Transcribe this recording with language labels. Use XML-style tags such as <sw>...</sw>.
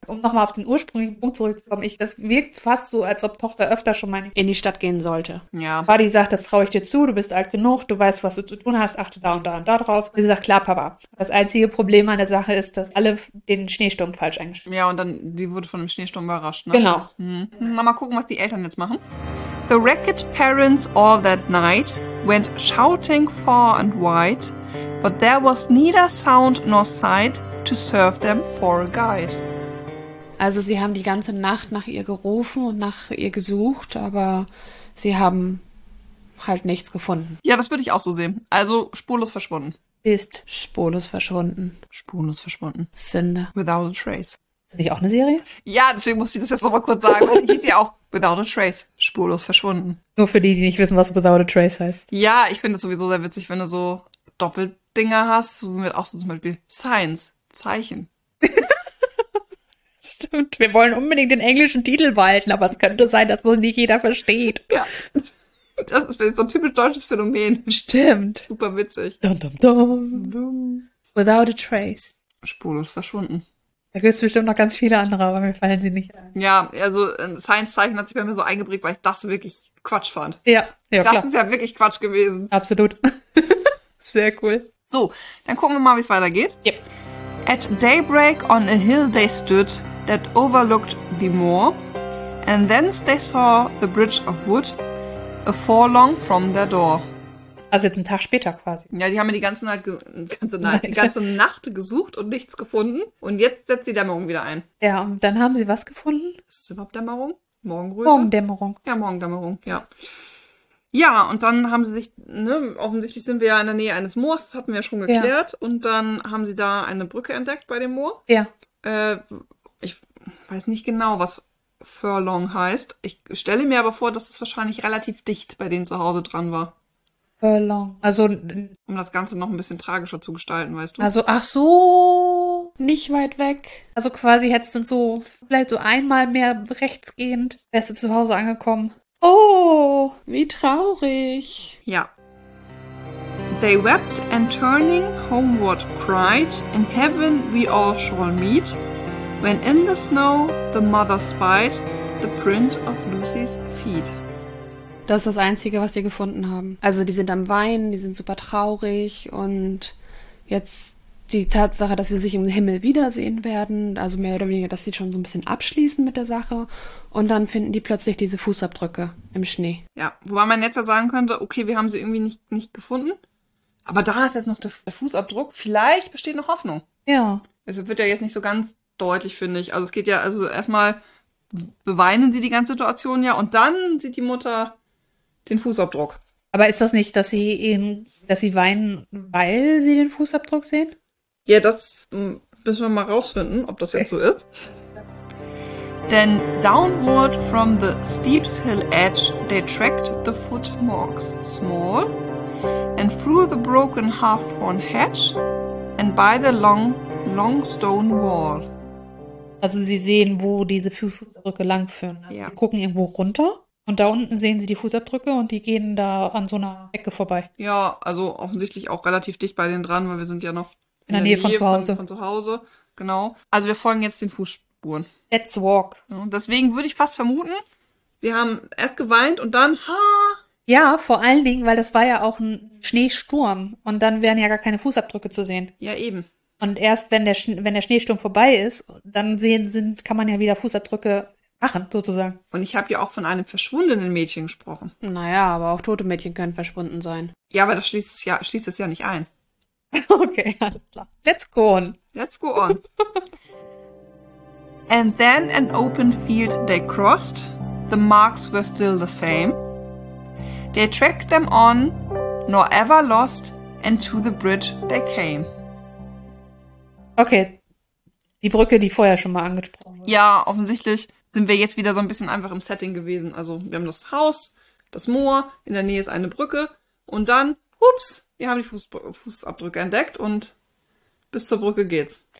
<de>Um nochmal auf den ursprünglichen Punkt zurückzukommen, das wirkt fast so, als ob Tochter öfter schon mal in die Stadt gehen sollte. Ja. Buddy sagt, das traue ich dir zu, du bist alt genug, du weißt, was du zu tun hast, achte da und da und da drauf. Und sie sagt, klar, Papa. Das einzige Problem an der Sache ist, dass alle den Schneesturm falsch eingeschätzt. Ja, und dann, die wurde von einem Schneesturm überrascht, ne? Genau. Na, mal gucken, was die Eltern jetzt machen.</de> <en>The wrecked parents all that night went shouting far and wide, but there was neither sound nor sight to serve them for a guide.</en> <de>Also sie haben die ganze Nacht nach ihr gerufen und nach ihr gesucht, aber sie haben halt nichts gefunden. Ja, das würde ich auch so sehen. Also spurlos verschwunden. Ist spurlos verschwunden. Spurlos verschwunden. Sünde.</de> <en>Without a trace.</en> <de>Ist das auch eine Serie? Ja, deswegen muss ich das jetzt noch mal kurz sagen, weil die hieß ja auch Without a Trace, spurlos verschwunden. Nur für die, die nicht wissen, was Without a Trace heißt. Ja, ich finde es sowieso sehr witzig, wenn du so Doppeldinger hast, so mit auch so zum Beispiel Signs, Zeichen. Stimmt, wir wollen unbedingt den englischen Titel behalten, aber es könnte sein, dass so nicht jeder versteht. Ja, das ist so ein typisch deutsches Phänomen. Stimmt. Super witzig. Dum, dum, dum. Boom.</de> <en>Without a Trace.</en> <de>Spurlos verschwunden. Da gibt es bestimmt noch ganz viele andere, aber mir fallen sie nicht ein. Ja, also ein Science-Zeichen hat sich bei mir so eingeprägt, weil ich das wirklich Quatsch fand. Ja, Das ist klar. ja wirklich Quatsch gewesen. Absolut. Sehr cool. So, dann gucken wir mal, wie es weitergeht.</de> <en>At daybreak on a hill they stood that overlooked the moor, and thence they saw the bridge of wood a forelong from their door.</en> <de>Also jetzt einen Tag später quasi. Ja, die haben mir die Nein. ganze Nacht gesucht und nichts gefunden. Und jetzt setzt die Dämmerung wieder ein. Ja, und dann haben sie was gefunden? Ist es überhaupt Dämmerung? Morgenröte? Morgendämmerung. Ja, Morgendämmerung, ja. Ja, und dann haben sie sich, ne, offensichtlich sind wir ja in der Nähe eines Moors, das hatten wir ja schon Ja. geklärt. Und dann haben sie da eine Brücke entdeckt bei dem Moor. Ja. Ich weiß nicht genau, was Furlong heißt. Ich stelle mir aber vor, dass es das wahrscheinlich relativ dicht bei denen zu Hause dran war. Also, Um das Ganze noch ein bisschen tragischer zu gestalten, weißt du? ach so, nicht weit weg. Also quasi hättest du so vielleicht so einmal mehr rechtsgehend, wärst du zu Hause angekommen. Oh, wie traurig. Ja.</de> <en>They wept and turning homeward cried, In heaven we all shall meet, when in the snow the mother spied the print of Lucy's feet.</en> <de>Das ist das Einzige, was sie gefunden haben. Also die sind am Weinen, die sind super traurig und jetzt die Tatsache, dass sie sich im Himmel wiedersehen werden, also mehr oder weniger, dass sie schon so ein bisschen abschließen mit der Sache und dann finden die plötzlich diese Fußabdrücke im Schnee. Ja, wobei man jetzt ja sagen könnte, okay, wir haben sie irgendwie nicht gefunden. Aber da ist jetzt noch der Fußabdruck. Vielleicht besteht noch Hoffnung. Ja. Es wird ja jetzt nicht so ganz deutlich, finde ich. Also es geht ja, also erstmal beweinen sie die ganze Situation ja und dann sieht die Mutter den Fußabdruck. Aber ist das nicht, dass sie eben, dass sie weinen, weil sie den Fußabdruck sehen? Ja, das müssen wir mal rausfinden, ob das jetzt so ist.</de> <en>Then downward from the steep's hill edge they tracked the footmarks small, and through the broken half-worn hedge and by the long stone wall.</en> <de>Also sie sehen, wo diese Fußabdrücke langführen. Also sie Ja. gucken irgendwo runter. Und da unten sehen Sie die Fußabdrücke und die gehen da an so einer Ecke vorbei. Ja, also offensichtlich auch relativ dicht bei denen dran, weil wir sind ja noch In in der der Nähe von Nähe zu von Hause. zu Hause. Genau. Also wir folgen jetzt den Fußspuren.</de> <en>Let's walk.</en> <de>Deswegen würde ich fast vermuten, sie haben erst geweint und dann, ha! Ja, vor allen Dingen, weil das war ja auch ein Schneesturm und dann wären ja gar keine Fußabdrücke zu sehen. Ja, eben. Und erst wenn der Schneesturm vorbei ist, dann kann man ja wieder Fußabdrücke machen, sozusagen. Und ich habe ja auch von einem verschwundenen Mädchen gesprochen. Naja, aber auch tote Mädchen können verschwunden sein. Ja, aber das schließt es ja nicht ein. Okay, alles klar.</de> <en>Let's go on. Let's go on. And then an open field they crossed. The marks were still the same. They tracked them on, nor ever lost and to the bridge they came.</en> <de>Okay, die Brücke, die vorher schon mal angesprochen wurde. Ja, offensichtlich sind wir jetzt wieder so ein bisschen einfach im Setting gewesen. Also wir haben das Haus, das Moor, in der Nähe ist eine Brücke und dann, ups, wir haben die Fußabdrücke entdeckt und bis zur Brücke geht's.</de>